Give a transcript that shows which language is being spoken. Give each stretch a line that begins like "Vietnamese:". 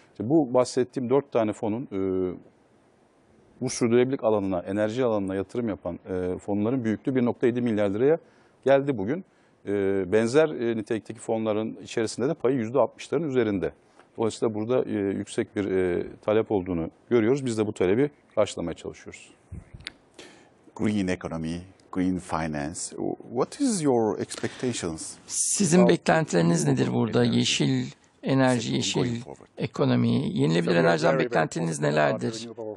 Turkish: Bu bahsettiğim dört tane fonun bu sürdürülebilirlik alanına, enerji alanına yatırım yapan fonların büyüklüğü 1.7 milyar liraya geldi bugün. Benzer nitelikteki fonların içerisinde de payı %60'ların üzerinde. Dolayısıyla burada yüksek bir talep olduğunu görüyoruz. Biz de bu talebi karşılamaya çalışıyoruz.
English: Green economy, green finance. What is your expectations?
Turkish: Sizin beklentileriniz nedir burada? Yeşil enerji, yeşil ekonomi, yenilebilir enerjiden beklentiniz nelerdir?